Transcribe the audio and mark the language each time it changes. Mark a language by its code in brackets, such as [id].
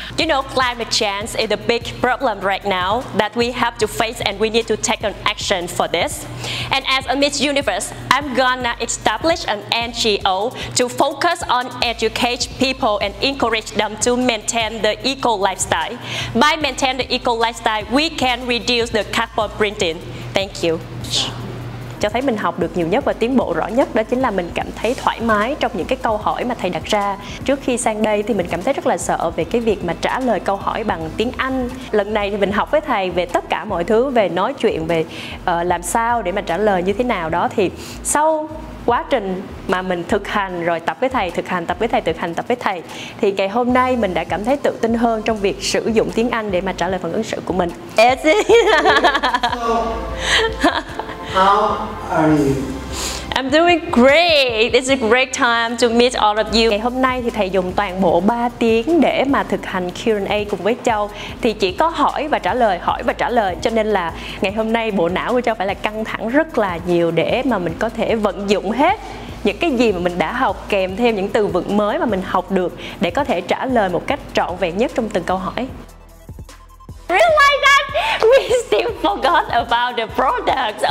[en] You know, climate change is a big problem right now that we have to face, and we need to take an action for this. And as a Miss Universe, I'm gonna establish an NGO to focus on educate people and encourage them to maintain the eco lifestyle. By maintain the eco lifestyle, we can reduce the carbon printing. Thank you. [vi] Cho thấy mình học được nhiều nhất và tiến bộ rõ nhất đó chính là mình cảm thấy thoải mái trong những cái câu hỏi mà thầy đặt ra. Trước khi sang đây thì mình cảm thấy rất là sợ về cái việc mà trả lời câu hỏi bằng tiếng Anh. Lần này thì mình học với thầy về tất cả mọi thứ, về nói chuyện, về làm sao để mà trả lời như thế nào đó. Thì sau quá trình mà mình thực hành rồi tập với thầy, thực hành tập với thầy, thì ngày hôm nay mình đã cảm thấy tự tin hơn trong việc sử dụng tiếng Anh để mà trả lời phần ứng xử của mình. [en] How are you? I'm doing great. It's a great time to meet all of you. [vi] Ngày hôm nay thì thầy dùng toàn bộ 3 tiếng để mà thực hành Q&A cùng với Châu. Thì chỉ có hỏi và trả lời. Cho nên là ngày hôm nay bộ não của Châu phải là căng thẳng rất là nhiều để mà mình có thể vận dụng hết những cái gì mà mình đã học, kèm thêm những từ vựng mới mà mình học được để có thể trả lời một cách trọn vẹn nhất trong từng câu hỏi. [en] Realize that we still forgot about the products.